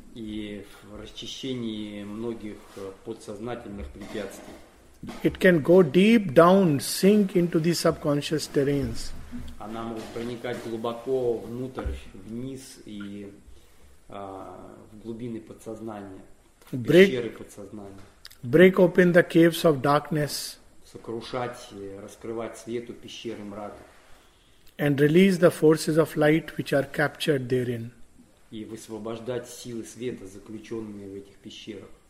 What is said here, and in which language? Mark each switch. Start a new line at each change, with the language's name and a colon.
Russian: и в расчищении многих подсознательных препятствий.
English: It can go deep down, sink into the subconscious terrains.
Russian: Она может проникать глубоко внутрь, вниз и в глубины подсознания, в пещеры подсознания.
English: Break open the caves of darkness.
Russian: Сокрушать, раскрывать свету пещеры мрака.
English: And release the forces of light which are captured therein.
Russian: И высвобождать силы света, заключенные в этих пещерах.